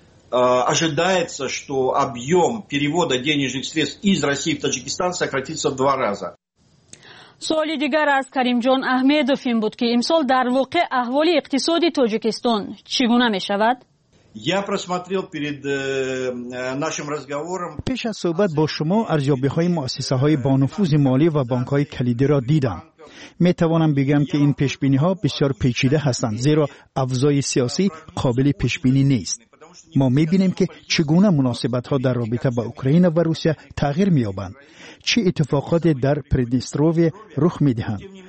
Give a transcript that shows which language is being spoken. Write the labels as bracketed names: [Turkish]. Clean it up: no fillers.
[Russian] Ожидается, что объем перевода денежных средств из России в Таджикистан сократится в два раза. [Tajik] Суали дигар аз Каримжон Ахмедов им буд ки имсол дар воқе аҳволи иқтисоди Таджикистон чигуна мешавад? [Russian] Я просмотрел перед нашим разговором. [Tajik] Пеш аз соҳбат бо шумо арзёбиҳои муассисаҳои банофузи молӣ ва банкҳои калидиро дидам. [Persian] می توانم بگم که این پیش بینی ها بسیار پیچیده هستند، زیرا افزای سیاسی قابل پیش بینی نیست. ما می بینیم که چگونه مناسبت ها در رابطه با اوکراین و روسیه تغییر می یابند، چه اتفاقاتی در پردنستروویه رخ می دهند.